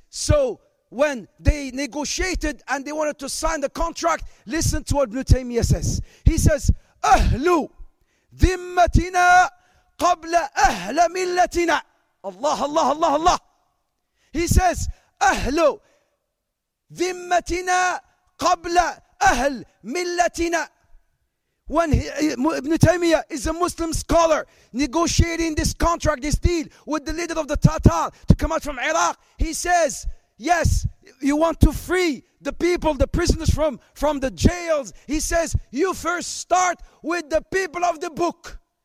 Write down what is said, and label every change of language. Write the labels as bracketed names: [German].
[English] So when they negotiated and they wanted to sign the contract, listen to what Ibn Taymiyyah says. He says, [Arabic] أَهْلُ ذِمَّتِنَا قَبْلَ أَهْلَ مِلَّتِنَا. Allah, Allah, Allah, Allah. [English] He says, [Arabic] أَهْلُ ذِمَّتِنَا قَبْلَ أَهْلْ مِلَّتِنَا. [English] When Ibn Taymiyyah is a Muslim scholar negotiating this contract, this deal with the leader of the Tatar to come out from Iraq, he says, yes, you want to free the people, the prisoners from the jails. He says, you first start with the people of the book.